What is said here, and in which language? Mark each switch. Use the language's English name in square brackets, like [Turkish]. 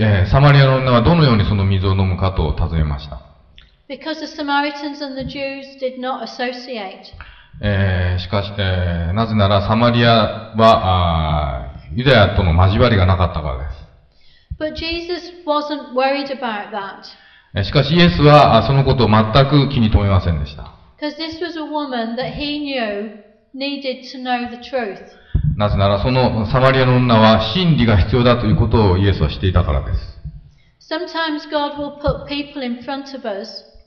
[Japanese] サマリアの女はどのようにその水を飲むかと尋ねました。 [English] Because the Samaritans and the Jews did not associate. [Japanese] しかし、なぜならサマリアはユダヤとの交わりがなかったからです。 [English] But Jesus wasn't worried about that. [Japanese] しかしイエスはそのことを全く気に留めませんでした。 [English] Because this was a woman that he knew needed to know the truth. [Japanese] なぜならそのサマリアの女は真理が必要だということをイエスは知っていたからです。 [English] Sometimes God will put people in front of us.